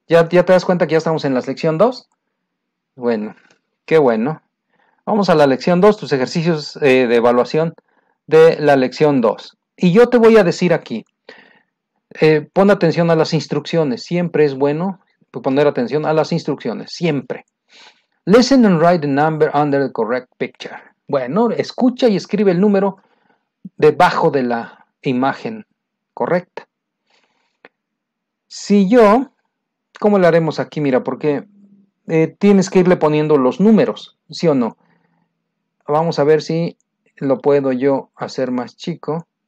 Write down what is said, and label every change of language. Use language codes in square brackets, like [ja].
[es] ¿Ya te das cuenta que ya estamos en la lección 2? Bueno, qué bueno. Vamos a la lección 2, tus ejercicios de evaluación de la lección 2. Y yo te voy a decir aquí, pon atención a las instrucciones. Siempre es bueno poner atención a las instrucciones. Siempre. [en] Listen and write the number under the correct picture. [es] Bueno, escucha y escribe el número debajo de la imagen correcta. Si yo, ¿cómo lo haremos aquí? Mira, porque. Tienes que irle poniendo los números, ¿sí o no? Vamos a ver si lo puedo yo hacer más chico.